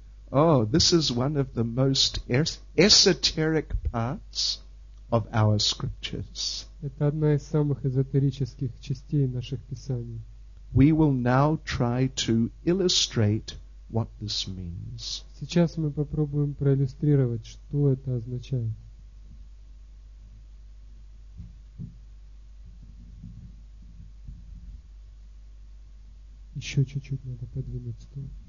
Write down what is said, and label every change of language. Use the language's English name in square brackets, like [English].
[English] Oh, this is one of the most esoteric parts of our scriptures. [Russian] Это одна из самых эзотерических частей наших писаний. [English] We will now try to illustrate what this means. [Russian] Сейчас мы попробуем проиллюстрировать, что это означает. Еще чуть-чуть надо подвинуть стул.